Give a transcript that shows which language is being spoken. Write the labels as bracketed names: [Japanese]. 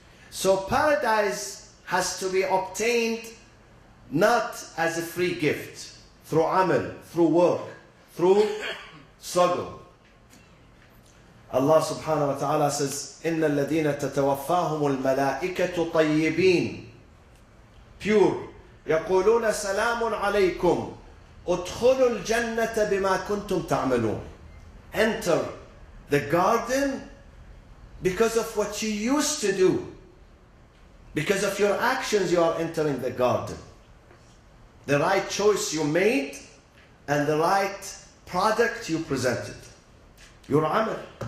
[English] So paradise has to be obtained not as a free gift, through amal, through work, through struggle. [Arabic] Allah subhanahu wa ta'ala says, إِنَّ الَّذِينَ تَتَوَفَّاهُمُ الْمَلَائِكَةُ طَيِّبِينَ. [English] Pure. [Arabic] يَقُولُونَ سَلَامٌ عَلَيْكُمْ أدخلوا الجنة بما كنتم تعملون. [English] Enter the garden because of what you used to do. Because of your actions, you are entering the garden. The right choice you made and the right product you presented. Your amal.